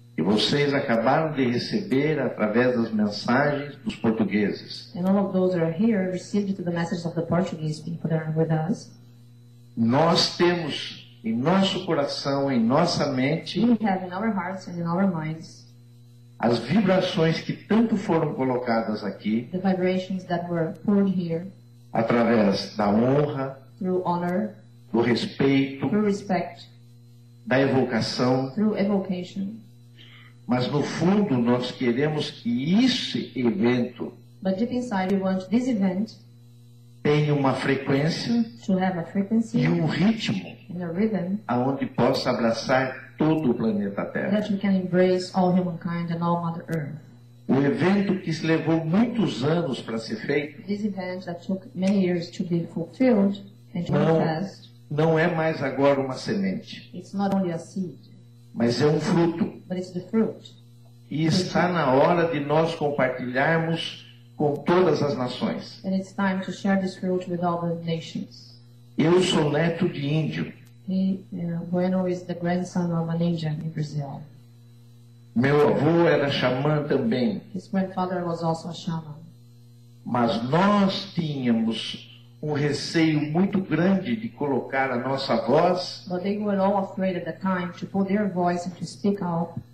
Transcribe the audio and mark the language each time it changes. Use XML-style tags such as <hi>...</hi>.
<pt>E vocês acabaram de receber através das mensagens dos portugueses.</pt> <en>And all of those that are here received the message of the Portuguese people that are with us.</en> <pt>Nós temos em nosso coração, em nossa mente,</pt> <en>we have in our hearts and in our minds,</en> <pt>as vibrações que tanto foram colocadas aqui,</pt> <en>the vibrations that were poured here,</en> <pt>através da honra,</pt> <en>through honor,</en> <pt>do respeito,</pt> <en>through respect,</en> <pt>da evocação,</pt> <en>through evocation,</en> <pt>mas no fundo nós queremos que esse evento,</pt> <en>but deep inside we want this event,</en> <pt>tenha uma frequência,</pt> <en>to have a frequency,</en> <pt>e um ritmo.</pt> <en>In a rhythm,</en> <pt>aonde possa abraçar todo o planeta Terra.</pt> <en>That we can embrace all humankind and all Mother Earth.</en> <pt>O evento que se levou muitos anos para ser feito.</pt> <en>This event that took many years to be fulfilled and to be passed.</en> <pt>Não é mais agora uma semente.</pt> <en>It's not only a seed.</en> <pt>Mas é um fruto.</pt> <en>But it's the fruit.</en> <pt>E está na hora de nós compartilharmos com todas as nações.</pt> <en>And it's time to share this fruit with all the nations.</en> <pt>Eu sou neto de índio.</pt> <en>Bueno is the grandson of an Indian in Brazil.</en> <pt>Meu avô era xamã também.</pt> <en>His grandfather was also a shaman.</en> <pt>Mas nós tínhamos um receio muito grande de colocar a nossa voz.</pt> <en>But they were all afraid at the time to put their voice and to speak out.</en>